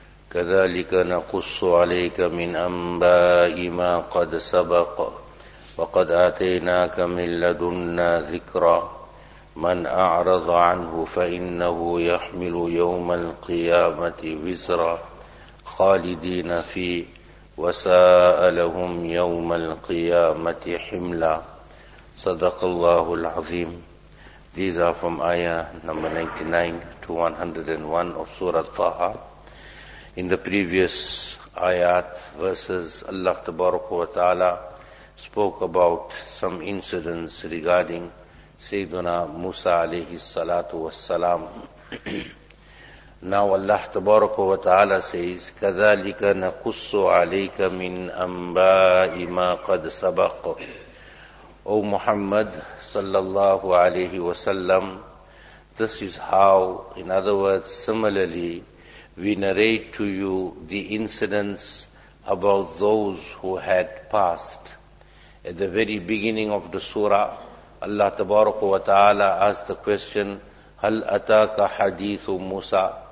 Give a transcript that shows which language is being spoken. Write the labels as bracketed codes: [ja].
[ar] كذلك نقص عليك من أنباء ما قد سبق وقد آتيناك من لدنا ذكرا. من أعرض عنه فإنه يحمل يوم القيامة وزرا خالدين فيه وساء لهم يوم القيامة حملا. صدق الله العظيم. [en] These are from ayah number 99 to 101 of Surah Taha. In the previous ayat verses, Allah Tabaraka wa Ta'ala spoke about some incidents regarding Sayyiduna Musa alayhi salatu wassalam. Now Allah Tabaraka wa Ta'ala says, [ar] كَذَلِكَ نَقُصُّ عَلَيْكَ مِنْ أَنْبَاءِ مَا قَدْ سَبَقُ. [en] O Muhammad sallallahu alayhi wa sallam, this is how, in other words, similarly, we narrate to you the incidents about those who had passed. At the very beginning of the surah, Allah tabaraka wa ta'ala asked the question, [ar] Hal ataka hadithu Musa?